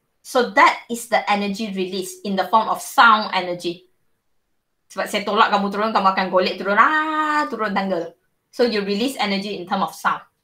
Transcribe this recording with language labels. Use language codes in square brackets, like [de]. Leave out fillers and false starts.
[en] So, that is the energy release in the form of sound energy. [ms] Sebab saya tolak kamu turun, kamu akan golek turun. Ah, turun tangga. [en] So, you release energy in term of sound.